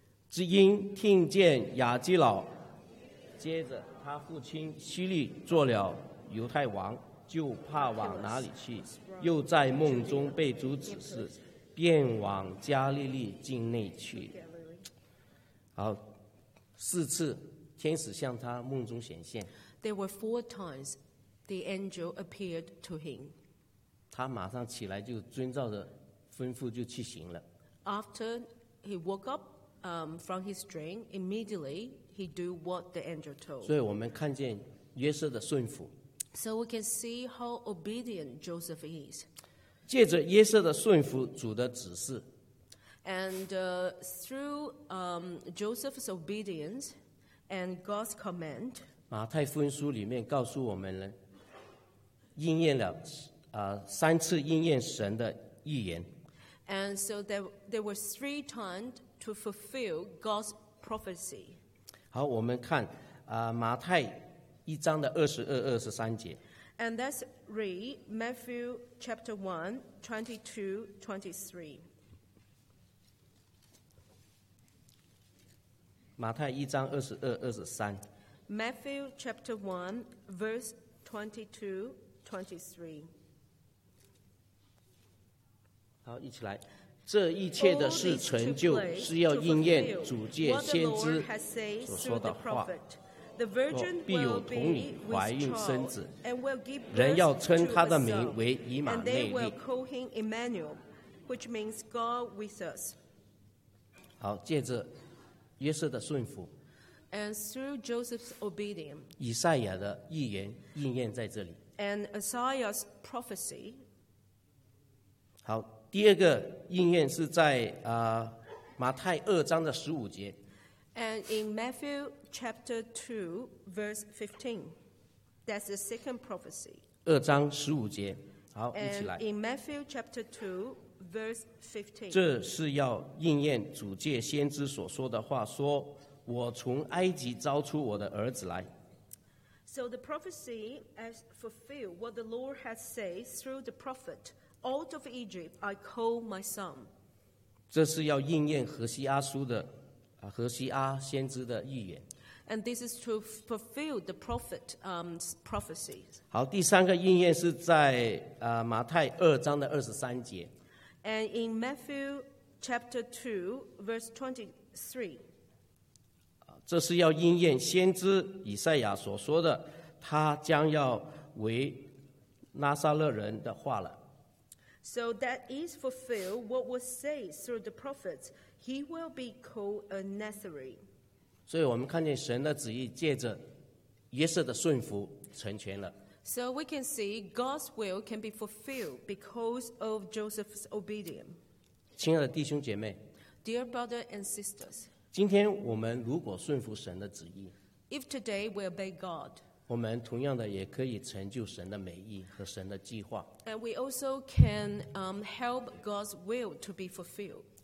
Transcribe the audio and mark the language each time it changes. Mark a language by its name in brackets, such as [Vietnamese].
[Chinese] 只因听见亚基老接着他父亲希律做了犹太王，就怕往哪里去，又在梦中被主指示，便往加利利境内去。好，四次天使向他梦中显现。 [English] There were four times the angel appeared to him. [Chinese] 他马上起来就遵照着吩咐就去行了。 [English] After he woke up from his dream, immediately he do what the angel told. [Chinese] 所以我们看见约瑟的顺服。 [English] So we can see how obedient Joseph is. [Chinese] 借着约瑟的顺服主的指示。 [English] And through Joseph's obedience and God's command. [Chinese] 马太福音书里面告诉我们呢，应验了三次应验神的预言。 [English] And so there were three times to fulfill God's prophecy. [Chinese] 好，我们看马太一章的二十二、二十三节。 [English] And let's read Matthew chapter 1:22-23. [Chinese] 马太一章二十二、二十三。 [English] Matthew chapter 1:22-23. [Chinese] 好，一起来。这一切的事成就，是要应验主借先知所说的话。 [English] The virgin will be with child, and will give birth to a son, and they will call him Emmanuel, which means God with us. [Chinese] 好，借着约瑟的顺服， [English] and through Joseph's obedience, [Chinese] 以赛亚的预言应验在这里， [English] and Isaiah's prophecy. [Chinese] 好，第二个应验是在马太二章的十五节。 [English] And in Matthew chapter 2:15, that's the second prophecy. [Chinese] 二章十五节，好，一起来。 [English] In Matthew chapter 2:15, [Chinese] 这是要应验主借先知所说的话，说：“我从埃及招出我的儿子来。” [English] So the prophecy has fulfilled what the Lord has said through the prophet. Out of Egypt I call my son. [Chinese] 这是要应验何西阿书的。何西阿先知的预言。 [English] And this is to fulfill the prophet, prophecies. [Chinese] 好，第三个应验是在马太二章的二十三节。 [English] And in Matthew chapter 2:23. [Chinese] 这是要应验先知以赛亚所说的，他将要为拿撒勒人的话了。 [English] So that is fulfilled what was said through the prophets. He will be called a Nazarene. [Chinese] 所以我们看见神的旨意借着约瑟的顺服成全了。 [English] So we can see God's will can be fulfilled because of Joseph's obedience. [Chinese] 亲爱的弟兄姐妹， [English] Dear brother and sisters, [Chinese] 今天我们如果顺服神的旨意， [English] If today we obey God, [Chinese] 我们同样的也可以成就神的美意和神的计划。 [English] And we also can help God's will to be fulfilled.